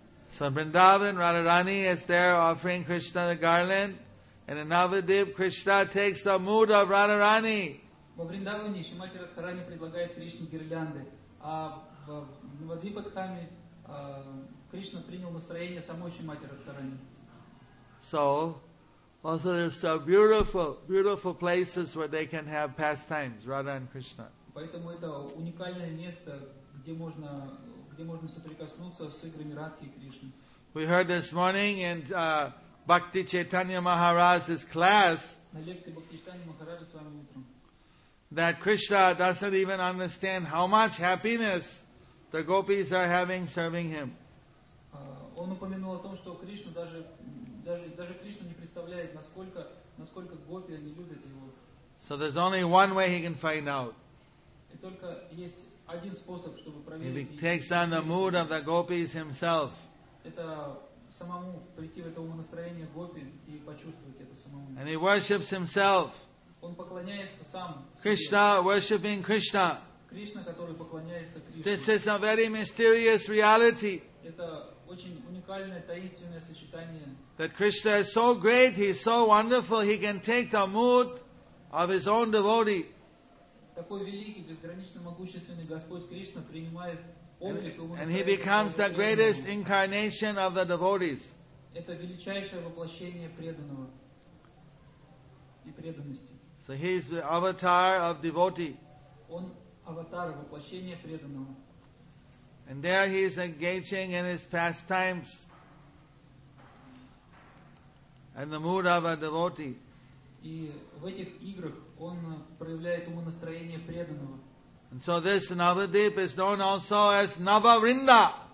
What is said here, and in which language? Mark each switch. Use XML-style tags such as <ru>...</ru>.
<en>So Vrindavan Radharani is there offering Krishna the garland, and in Navadvip Krishna takes the mood of Radharani.</en> <ru>Во Вриндаване Шримати Радхарани предлагает Кришне гирлянды, а в Навадвипадхаме Кришна принял настроение самой Шримати Радхарани.</ru> <en>So, also there's some beautiful, beautiful places where they can have pastimes, Radha and Krishna.</en> <ru>Поэтому это уникальное место, где можно соприкоснуться с играми Радхи и Кришны.</ru> <en>We heard this morning in Bhakti Chaitanya Maharaj's class.</en> <ru>На лекции Бхакти Чайтанья Махараджа с вами утром.</ru> <en>That Krishna doesn't even understand how much happiness the gopis are having serving him.</en> <ru>Он упомянул о том, что Кришна даже Кришна не представляет, насколько гопи они любят его.</ru> <en>So there's only one way he can find out.</en> <ru>Только есть один способ, чтобы проверить.</ru> <en>He takes on the mood of the gopis himself.</en> <ru>Это самому прийти в это умонастроение гопи и почувствовать это самому.</ru> <en>And he worships himself.</en> <ru>Он поклоняется сам.</ru> <en>Krishna worshiping Krishna.</en> <ru>Кришна, который поклоняется Кришне.</ru> <en>This is a very mysterious reality.</en> <ru>Это очень уникальное таинственное сочетание.</ru> <en>That Krishna is so great, he is so wonderful, he can take the mood of his own devotee.</en> <ru>Такой великий, безгранично могущественный Господь Кришна принимает облик.</ru> <en>And he becomes the greatest incarnation of the devotees.</en> <ru>Это величайшее воплощение преданного и преданности.</ru> <en>So he is the avatar of devotee.</en> <ru>Он аватар, воплощение преданного.</ru> <en>And there he is engaging in his pastimes and the mood of a devotee.</en> <ru>И в этих играх он проявляет ему настроение преданного.</ru> <en>And so this Navadvip is known also as Navavrinda.</en>